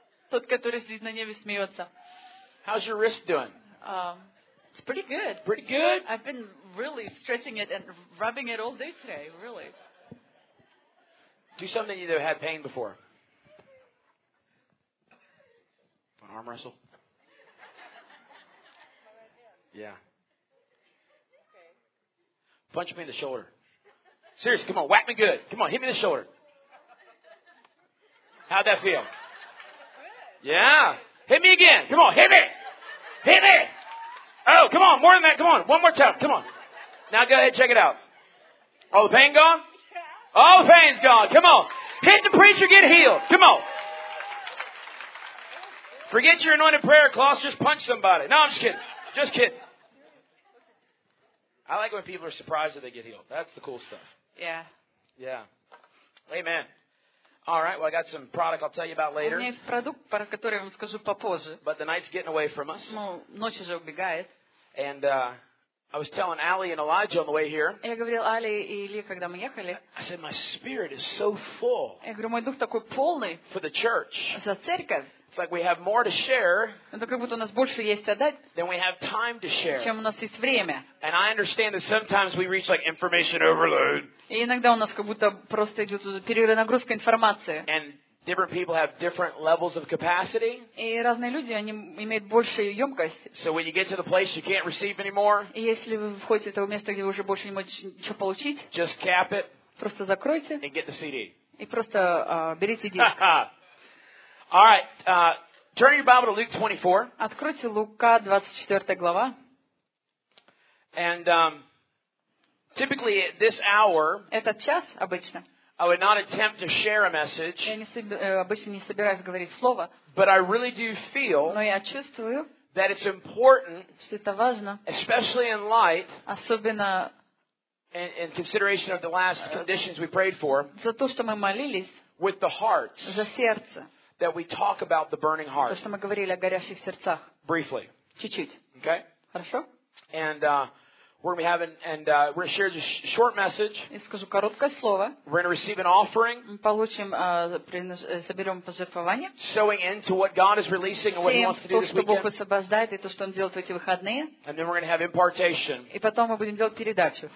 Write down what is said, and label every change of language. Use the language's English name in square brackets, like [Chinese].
[Russian] Тот, который сидит на небе, смеется. [English] How's your wrist doing? It's pretty good. Pretty good. I've been really stretching it and rubbing it all day today. Really. Do something you've had pain before. An arm wrestle. Yeah. Punch me in the shoulder. Seriously, come on, whack me good. Come on, hit me in the shoulder. How'd that feel? Yeah. Hit me again. Come on, hit me. Hit me. Oh, come on, more than that. Come on, one more time. Come on. Now go ahead, check it out. All the pain gone? Yeah. All the pain's gone. Come on. Hit the preacher, get healed. Come on. Forget your anointed prayer cloths, just punch somebody. No, I'm just kidding. Just kidding. I like when people are surprised that they get healed. That's the cool stuff. Yeah. Yeah. Amen. All right, well, I got some product I'll tell you about later. [Russian] У меня есть продукт, про который я вам скажу попозже. [English] But the night's getting away from us. [Russian] Ну, ночь уже убегает. [English] And I was telling Ali and Elijah on the way here. [Russian] Я говорил Али и Иле, когда мы ехали. [English] I said, my spirit is so full. [Russian] Я говорю, мой дух такой полный. [English] For the church. [Russian] За церковь. [English] It's like we have more to share. [Russian] Это как будто у нас больше есть отдать. [English] Than we have time to share. [Russian] Чем у нас есть время. [English] And I understand that sometimes we reach like information overload. [Russian] И иногда у нас как будто просто идет перенагрузка информации. [English] And different people have different levels of capacity. [Russian] И разные люди, они имеют большую емкость. [English] So when you get to the place you can't receive anymore. [Russian] И если вы входите в то место, где вы уже больше не можете ничего получить. [English] Just cap it. [Russian] Просто закройте. [English] And get the CD. [Russian] И просто берите диск. [English] All right. Turn your Bible to Luke 24. [Russian] Откройте Лука 24 глава. [English] And typically at this hour, [Russian] этот час обычно, [English] I would not attempt to share a message. [Russian] Я обычно не собираюсь говорить слово. [English] But I really do feel, [Russian] но я чувствую, [English] that it's important, [Russian] что это важно, [English] especially in light, [Russian] особенно [English] in consideration of the last conditions we prayed for, [Russian] за то, что мы молились, [English] with the hearts, [Russian] за сердце. [English] That we talk about the burning heart. [Russian] То, что мы говорили о горящих сердцах. [English] Briefly. [Russian] Чуть-чуть. [English] Okay. [Russian] Хорошо. [English] And we're gonna have we're gonna share this short message. [Russian] Я скажу короткое слово. [English] We're gonna receive an offering. [Russian] Мы получим, соберем пожертвование. [English] Sowing into what God is releasing and what He wants to do this weekend. [Russian] То, что Бог освобождает и то, что Он делает в эти выходные. [English] And then we're gonna have impartation. [Russian] И потом мы будем делать передачу.